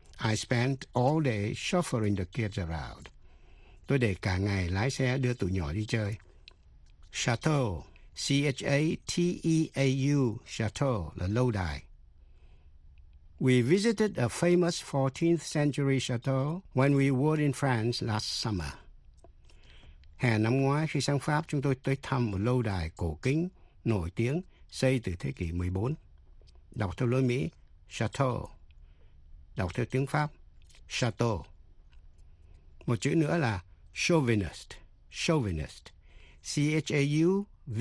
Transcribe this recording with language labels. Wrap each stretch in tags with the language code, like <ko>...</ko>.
<en>I spent all day chauffeuring the kids around.</en> <vi>Tôi để cả ngày lái xe đưa tụi nhỏ đi chơi. Chateau, C-H-A-T-E-A-U, chateau là lâu đài.</vi> <en>We visited a famous 14th century chateau when we were in France last summer.</en> <vi>Hè năm ngoái khi sang Pháp, chúng tôi tới thăm một lâu đài cổ kính nổi tiếng xây từ thế kỷ 14. Đọc theo lối Mỹ, chateau. Đọc theo tiếng Pháp, chateau. Một chữ nữa là chauvinist. Chauvinist, C-H-A-U-V-I-N-I-S-T.</vi>